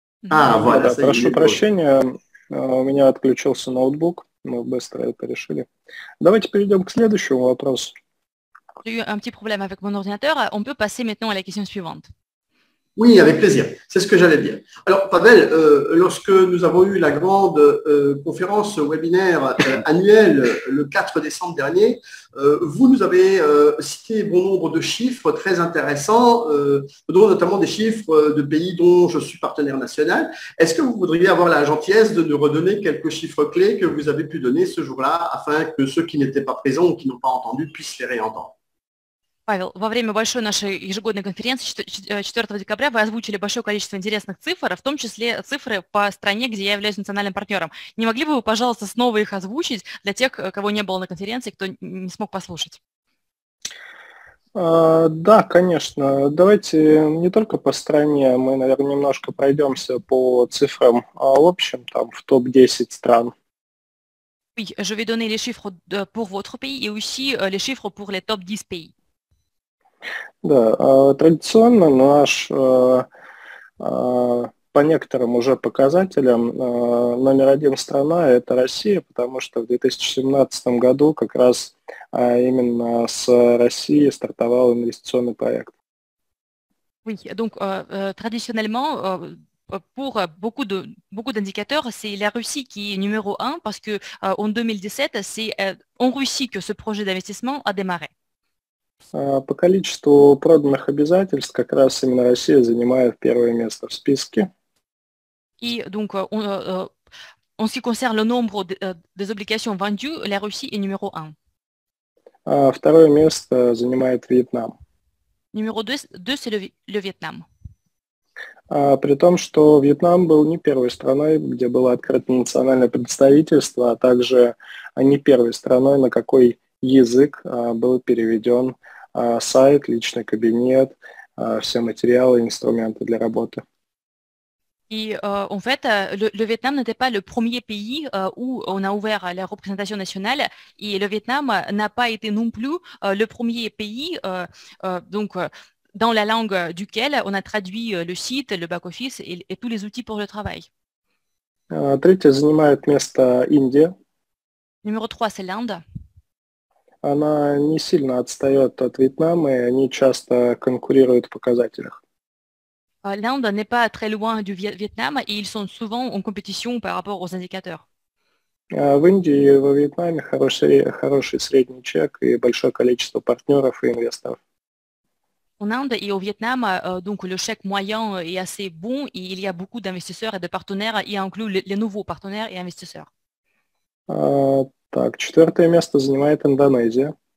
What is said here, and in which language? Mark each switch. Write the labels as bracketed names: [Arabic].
[French] Ah, voilà, ça [Russian] прощения, у меня отключился ноутбук. Мы быстро это решили. Давайте перейдем к следующему вопросу. [French] J'ai eu un petit problème avec mon ordinateur. On peut passer maintenant à la question suivante. Oui, avec plaisir. C'est ce que j'allais dire. Alors, Pavel, lorsque nous avons eu la grande conférence webinaire annuelle le 4 décembre dernier, vous nous avez cité bon nombre de chiffres très intéressants, notamment des chiffres de pays dont je suis partenaire national. Est-ce que vous voudriez avoir la gentillesse de nous redonner quelques chiffres clés que vous avez pu donner ce jour-là afin que ceux qui n'étaient pas présents ou qui n'ont pas entendu puissent les réentendre? [Russian] Павел, во время большой нашей ежегодной конференции 4 декабря вы озвучили большое количество интересных цифр, в том числе цифры по стране, где я являюсь национальным партнером. Не могли бы вы, пожалуйста, снова их озвучить для тех, кого не было на конференции, кто не смог послушать? Да, конечно. Давайте не только по стране, мы, наверное, немножко пройдемся по цифрам, а в общем, там, в топ-10 стран. [French] Oui, je vais donner les chiffres pour votre pays et aussi les chiffres pour les top-10 pays. [Russian] Да, традиционно наш, по некоторым уже показателям, номер один страна – это Россия, потому что в 2017 году как раз именно с России стартовал инвестиционный проект. [French] Oui, donc, traditionnellement, pour beaucoup d'indicateurs, c'est la Russie qui est numéro un, parce que en 2017, c'est en Russie que ce projet d'investissement a démarré. [Russian] По количеству проданных обязательств как раз именно Россия занимает первое место в списке. [French] И, donc, en ce qui concerne le nombre des obligations vendues, la Russie est numéro 1. [Russian] Второе место занимает Вьетнам. [French] Numéro 2, c'est le Vietnam. [Russian] При том, что Вьетнам был не первой страной, где было открыто национальное представительство, а также не первой страной, на какой язык был переведен сайт, личный кабинет, все материалы, инструменты для работы. [French] И, en fait, le Vietnam n'était pas le premier pays où on a ouvert la représentation nationale, и le Vietnam n'a pas été non plus le premier pays donc, dans la langue duquel on a traduit le site, le back-office et tous les outils pour le travail. [Russian] Третье занимает место Индия. [French] Numéro 3, c'est l'Inde. [Russian] Она не сильно отстает от Вьетнама, и они часто конкурируют в показателях. [French] L'Inde n'est pas très loin du Vietnam, et ils sont souvent en compétition par rapport aux indicateurs. [Russian] В Индии и во Вьетнаме хороший средний чек и большое количество партнеров и инвесторов. [French] En Inde et au Vietnam, donc le chèque moyen est assez bon, et il y a beaucoup d'investisseurs et de partenaires, y inclut les nouveaux partenaires et investisseurs. [Russian] Так, четвертое место занимает Индонезия.